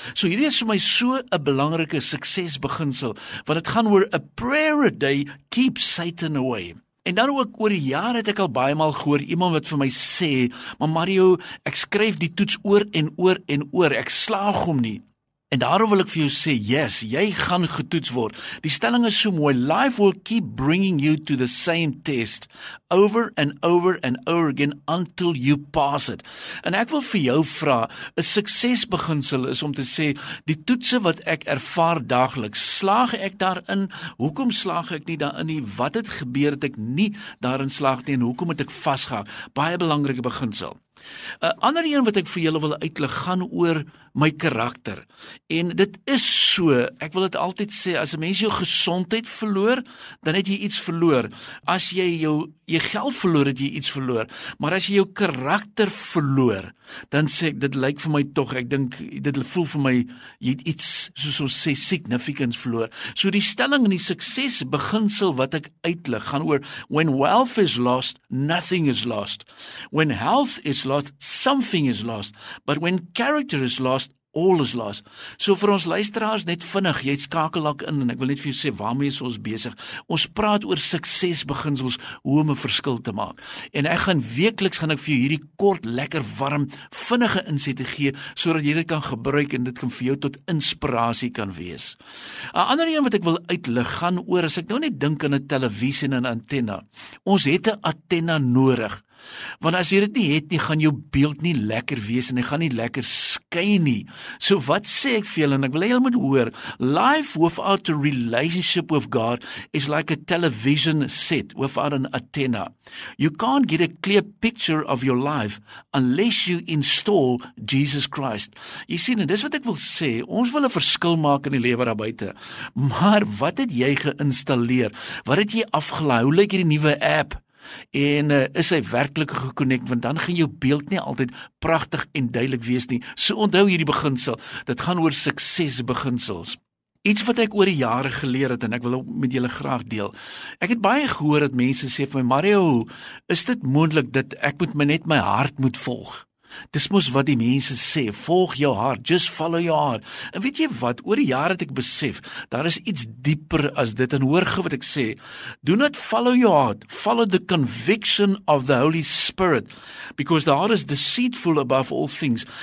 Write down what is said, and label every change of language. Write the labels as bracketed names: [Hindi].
[Afrikaans] So hierdie is vir my so 'n belangrike suksesbeginsel, want het gaan oor, [English] a prayer a day keeps Satan away. [Afrikaans] En dan ook, oor die jaar het ek al baie maal gehoor, iemand wat vir my sê, maar Mario, ek skryf die toets oor en oor en oor, ek slaag hom nie. En daarom wil ek vir jou sê, yes, jy gaan getoets word. Die stelling is so mooi, [English] life will keep bringing you to the same test, over and over and over again, until you pass it. [Afrikaans] En ek wil vir jou vra, 'n suksesbeginsel is om te sê, die toetse wat ek ervaar dagliks, slaag ek daarin, hoekom slaag ek nie daarin nie, wat het gebeur dat ek nie daarin slaag nie, en hoekom het ek vasgehak? Baie belangrike beginsel. 'n Ander een wat ek vir julle wil uitlig gaan oor my karakter. En dit is so, ek wil dit altyd sê, as 'n mens jou gesondheid verloor, dan het jy iets verloor. As jy jou geld verloor, het jy iets verloor. Maar as jy jou karakter verloor, dan sê ek, dit lyk vir my tog, ek dink, dit voel vir my, jy het iets, soos ons sê, significance verloor. So die stelling en die suksesbeginsel wat ek uitlig, gaan oor, [English] when wealth is lost, [Afrikaans] nothing is lost. [English] When health is lost, something is lost. But when character is lost, all is lost. [Afrikaans] So vir ons luisteraars net vinnig, jy skakel ook in en ek wil net vir jou sê waarmee is ons besig. Ons praat oor suksesbeginsels, hoe om 'n verskil te maak. En ek gaan weekliks gaan ek vir jou hierdie kort, lekker, warm, vinnige insette gee sodat jy dit kan gebruik en dit kan vir jou tot inspirasie kan wees. 'n Ander een wat ek wil uitlig gaan oor as ek nou net dink aan 'n televisie en 'n antenna. Ons het 'n antenna nodig. Want as jy dit nie het nie, gaan jou beeld nie lekker wees en hy gaan nie lekker skyn nie. So wat sê ek vir julle en ek wil julle moet hoor, [English] life without a relationship with God is like a television set without an antenna. You can't get a clear picture of your life unless you install Jesus Christ. [Afrikaans] Jy sien, en dis wat ek wil sê, ons wil 'n verskil maak in die lewe daar buite. Maar wat het jy geïnstalleer? Wat het jy afgelaai? Hoe lyk hierdie nuwe app? En is hy werklik gekonnek, want dan gaan jou beeld nie altyd pragtig en duidelik wees nie. So onthou hierdie beginsel, dit gaan oor suksesbeginsels. Iets wat ek oor die jare geleer het en ek wil met julle graag deel. Ek het baie gehoor dat mense sê vir my, Mario, is dit moontlik dat ek moet net my hart moet volg? Dis mos wat die mense sê, volg jou hart, [English] just follow your heart. [Afrikaans] En weet jy wat, oor die jare het ek besef, daar is iets dieper as dit, en hoor gou wat ek sê, [English] do not follow your heart, follow the conviction of the Holy Spirit, because the heart is deceitful above all things.